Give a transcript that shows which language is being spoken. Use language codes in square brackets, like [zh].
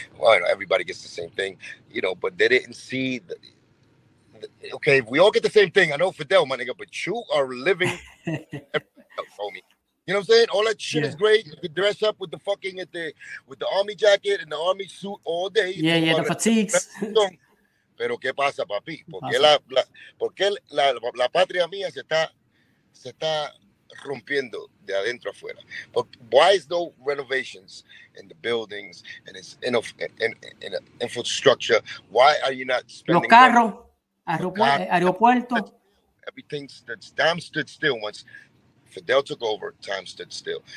[en] Well, you know, everybody gets the same thing, you know. But they didn't see okay, if we all get the same thing, I know Fidel, my nigga, but you are living, homie. You know what I'm saying? All that shit is great. You could dress up with the fucking with the army jacket and the army suit all day. Yeah, the fatigues. [es] Pero qué pasa, papi? ¿Por qué la patria mía se está rompiendo de adentro afuera? [en] But why is no renovations in the buildings and its in infrastructure? Why are you not spending? [es] Los carros, aeropuerto. [en] Everything stood still once Fidel took over, time stood still.